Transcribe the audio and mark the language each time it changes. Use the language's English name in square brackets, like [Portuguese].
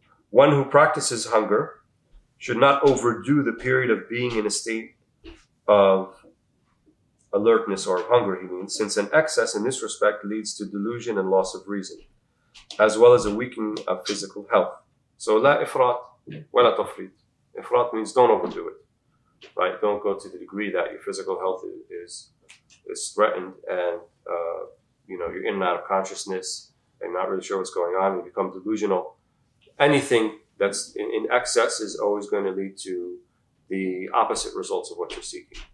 [English] One who practices hunger should not overdo the period of being in a state of alertness or hunger, he means, since an excess in this respect leads to delusion and loss of reason, as well as a weakening of physical health. [Arabic] So لا إفراط ولا تفريط. [English] إفراط means don't overdo it, right? Don't go to the degree that your physical health is threatened and you know, you're in and out of consciousness and not really sure what's going on, you become delusional. Anything that's in excess is always going to lead to the opposite results of what you're seeking.